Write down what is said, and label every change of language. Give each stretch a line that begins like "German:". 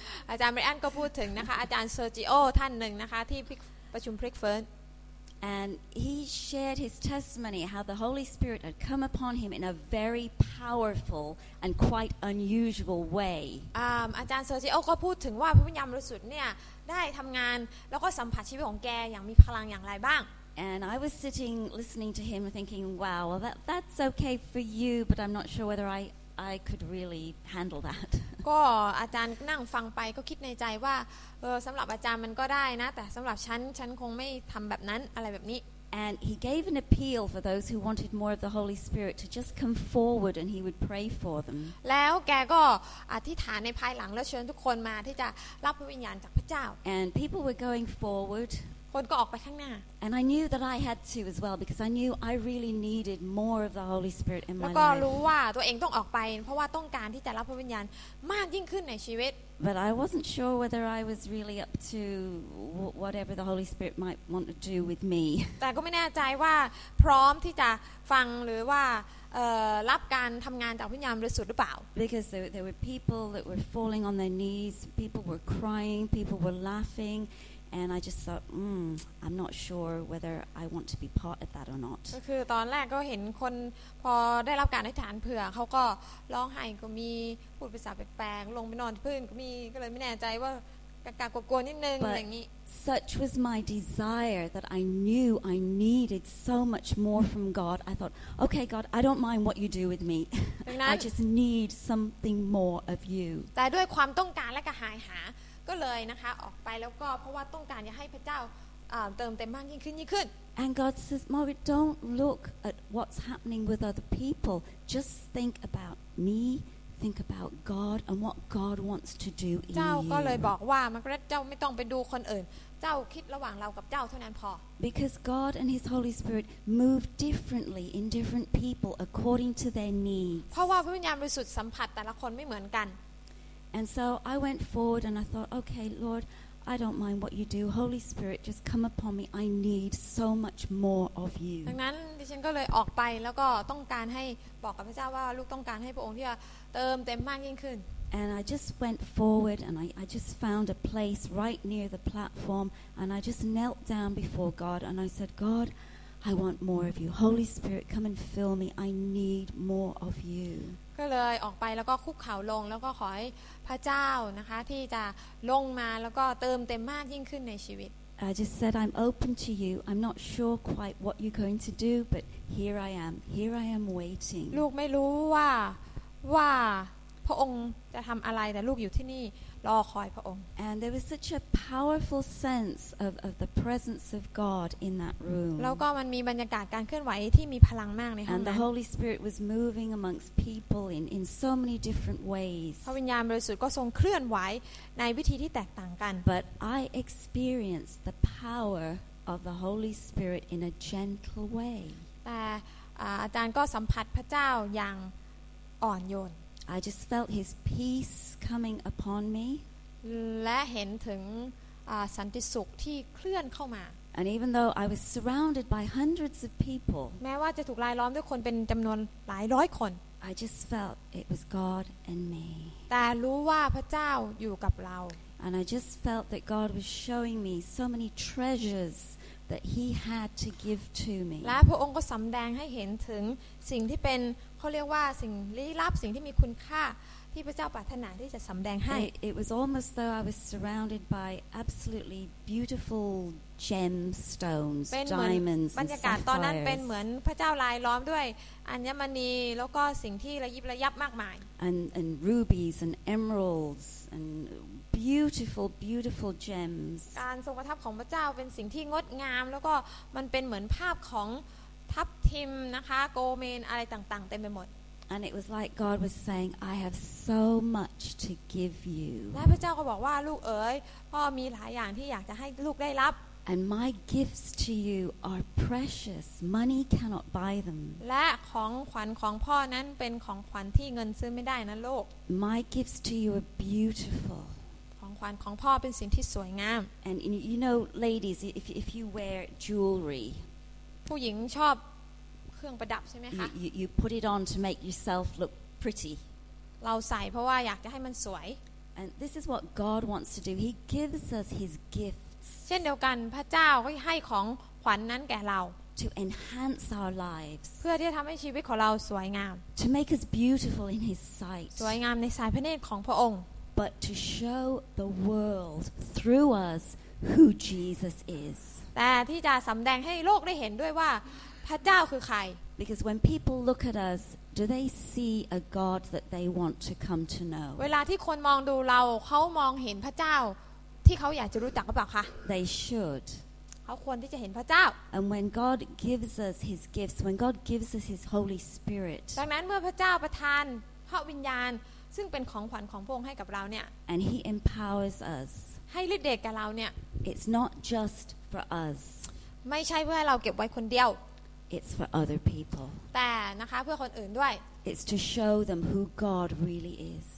Thai: อาจารย์ Brian ก็พูดถึงนะคะอาจารย์ Sergio ท่านหนึ่งนะคะที่ประชุมพริกเฟิร์น
English: and he shared his testimony how the Holy Spirit had come upon him in a very powerful and quite unusual way
Thai: อาจารย์ Sergio ก็พูดถึงว่าพระวิญญาณบริสุทธิ์เนี่ยได้ทำงานแล้วก็สัมผัสชีวิตของแกอย่างมีพลังอย่างไรบ้าง
English: And I was sitting listening to him thinking, wow, well, that's okay for you, but I'm not sure whether I could really handle that.
Thai: ก็อาจารย์นั่งฟังไปก็คิดในใจว่าสำหรับอาจารย์มันก็ได้นะแต่สำหรับฉันคงไม่ทำแบบนั้นอะไรแบบนี้
English: And he gave an appeal for those who wanted more of the Holy Spirit to just come forward and he would pray for them.
Thai: แล้วแกก็อธิษฐานในภายหลังแล้วเชิญทุกคนมาที่จะรับพระวิญญาณจากพระเจ้า
English: And people were going forward
Thai: คนก็ออกไปข้างหน้า
English: And I knew that I had to as well because I knew I really needed more of the Holy Spirit in my life
Thai: แล้วก็รู้ว่าตัวเองต้องออกไปเพราะว่าต้องการที่จะรับพระวิญญาณมากยิ่งขึ้นในชีวิต
English: But I wasn't sure whether I was really up to whatever the Holy Spirit might want to do with me
Thai: แต่ก็ไม่แน่ใจว่าพร้อมที่จะฟังหรือว่ารับการทำงานจากพระวิญญาณบริสุทธิ์หรือเปล่า
English: Because there were people that were falling on their knees people were crying people were laughingAnd I just thought, I'm not sure whether I want to be part of that or not.
Thai: ก็คือตอนแรกก็เห็นคนพอได้รับการอธิษฐานเผื่อเขาก็ร้องไห้ก็มีพูดภาษาแปลกๆลงไปนอนพื้นก็มีก็เลยไม่แน่ใจว่ากากกลัวๆนิดนึงอย่างนี้
English: Such was my desire that I knew I needed so much more from God. I thought, okay, God, I don't mind what you do with me. I just need something more of you.
Thai: แต่ด้วยความต้องการและกระหายหาก็เลยนะคะออกไปแล้วก็เพราะว่าต้องการจะให้พระเจ้าเติมเต็มมากยิ่งขึ้นยิ่งขึ้น
English: And God says, Margaret, don't look at what's happening with other people. Just think about me. Think about God and what God wants to do in you.
Thai: เจ้าก็เลยบอกว่ามาร์กาเร็ตเจ้าไม่ต้องไปดูคนอื่นเจ้าคิดระหว่างเรากับเจ้าเท่านั้นพอ
English: Because God and His Holy Spirit move differently in different people according to their needs.
Thai: เพราะว่าพระวิญญาณบริสุทธิ์สัมผัสแต่ละคนไม่เหมือนกัน
English: And so I went forward and I thought, okay, Lord, I don't mind what you do. Holy Spirit, just come upon me. I need so much more of you.
Thai: ดังนั้นดิฉันก็เลยออกไปแล้วก็ต้องการให้บอกกับพระเจ้าว่าลูกต้องการให้พระองค์ที่จะเติมเต็มมากยิ่งขึ้น
English: And I just went forward and I just found a place right near the platform and I just knelt down before God and I said, God, I want more of you. Holy Spirit, come and fill me. I need more of you.
Thai: ก็เลยออกไปแล้วก็คุกเข่าลงแล้วก็ขอให้พระเจ้านะคะที่จะลงมาแล้วก็เติมเต็มมากยิ่งขึ้นในชีวิต
English: I just said I'm open to you I'm not sure quite what you're going to do but here I am waiting
Thai: ลูกไม่รู้ว่าพระองค์จะทำอะไรแต่ลูกอยู่ที่นี่ รอคอยพระองค์
English: And there was such a powerful sense of the presence of God in that room
Thai: แล้วก็มันมีบรรยากาศการเคลื่อนไหวที่มีพลังมากในห้องนั้น
English: And the Holy Spirit was moving amongst people in so many different ways
Thai: พระวิญญาณบริสุทธิ์ก็ทรงเคลื่อนไหวในวิธีที่แตกต่างกัน
English: But I experienced the power of the Holy Spirit in a gentle way
Thai: แต่อาจารย์ก็สัมผัสพระเจ้าอย่างอ่อนโยน
English: I just felt his peace coming upon me.
Thai: และเห็นถึงสันติสุขที่เคลื่อนเข้ามา
English: And even though I was surrounded by hundreds of people.
Thai: แม้ว่าจะถูกรายล้อมด้วยคนเป็นจำนวนหลายร้อยคน
English: I just felt it was God and me.
Thai: แต่รู้ว่าพระเจ้าอยู่กับเรา
English: And I just felt that God was showing me so many treasures that he had to give to me.
Thai: และพระองค์ก็สำแดงให้เห็นถึงสิ่งที่เป็นเขาเรียกว่าสิ่งลี้ลับสิ่งที่มีคุณค่าที่พระเจ้าปรารถนาที่จะสำแดงให้
English: It was almost though I was surrounded by absolutely beautiful gemstones, diamonds, and sapphires.
Thai: บรรยากาศตอนนั้นเป็นเหมือนพระเจ้าลายล้อมด้วยอัญมณีแล้วก็สิ่งที่ระยิบระยับมากมาย
English: And rubies and emeralds and beautiful, beautiful gems.
Thai: การทรงประทับของพระเจ้าเป็นสิ่งที่งดงามแล้วก็มันเป็นเหมือนภาพของทับทิมนะคะโกเมนอะไรต่างๆเต็มไปหมด
English: And it was like God was saying I have so much to give you
Thai: และพระเจ้าก็บอกว่าลูกเอ๋ยพ่อมีหลายอย่างที่อยากจะให้ลูกได้รับ
English: And my gifts to you are precious money cannot buy them
Thai: และของขวัญของพ่อนั้นเป็นของขวัญที่เงินซื้อไม่ได้นะลูก
English: My gifts to you are beautiful
Thai: ขวัญของพ่อเป็นสิ่งที่สวยงาม
English: And you know ladies if you wear jewelry
Thai: ผู้หญิงชอบเครื่องประดับใช่ไหมคะ
English: you put it on to make yourself look pretty
Thai: เราใส่เพราะว่าอยากจะให้มันสวย
English: and this is what God wants to do He gives us His gifts
Thai: เช่นเดียวกันพระเจ้าก็ให้ของขวัญนั้นแก่เรา
English: to enhance our lives
Thai: เพื่อที่จะทำให้ชีวิตของเราสวยงาม
English: to make us beautiful in His sight
Thai: สวยงามในสายพระเนตรของพระองค์
English: but to show the world through us who Jesus is
Thai: แต่ที่จะสำแดงให้โลกได้เห็นด้วยว่าพระเจ้าคือใคร
English: Because when people look at us, do they see a God that they want to come to know?
Thai: เวลาที่คนมองดูเราเขามองเห็นพระเจ้าที่เขาอยากจะรู้จักหรือเปล่าคะ
English: They should.
Thai: เขาควรที่จะเห็นพระเจ้า
English: And when God gives us His gifts, when God gives us His Holy Spirit,
Thai: ดังนั้นเมื่อพระเจ้าประทานพระวิญญาณซึ่งเป็นของขวัญของพระองค์ให้กับเราเนี่ย
English: And He empowers us.
Thai: ให้ฤทธิ์เดชแก่เราเนี่ย
English: It's not justfor us
Thai: ไม่ใช่เพื่อเราเก็บไว้คนเดียว
English: it's for other people
Thai: แต่นะคะเพื่อคนอื่นด้วย
English: it's to show them who god really is